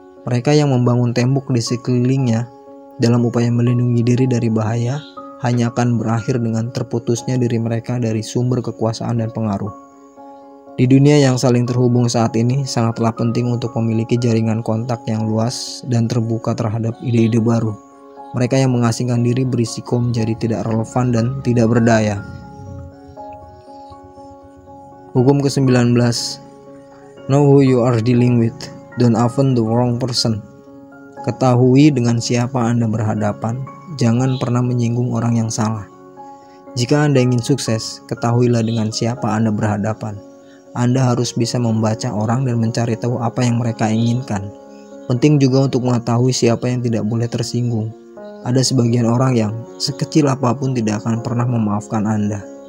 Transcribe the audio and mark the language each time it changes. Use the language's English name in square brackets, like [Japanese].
[Indonesian] Mereka yang membangun tembok di sekelilingnya dalam upaya melindungi diri dari bahaya hanya akan berakhir dengan terputusnya diri mereka dari sumber kekuasaan dan pengaruh. Di dunia yang saling terhubung saat ini, sangatlah penting untuk memiliki jaringan kontak yang luas dan terbuka terhadap ide-ide baru. Mereka yang mengasingkan diri berisiko menjadi tidak relevan dan tidak berdaya. Hukum ke-19, [English] know who you are dealing with, don't offend the wrong person. [Indonesian] Ketahui dengan siapa Anda berhadapan, jangan pernah menyinggung orang yang salah. Jika Anda ingin sukses, ketahuilah dengan siapa Anda berhadapan. Anda harus bisa membaca orang dan mencari tahu apa yang mereka inginkan. Penting juga untuk mengetahui siapa yang tidak boleh tersinggung. Ada sebagian orang yang sekecil apapun tidak akan pernah memaafkan Anda.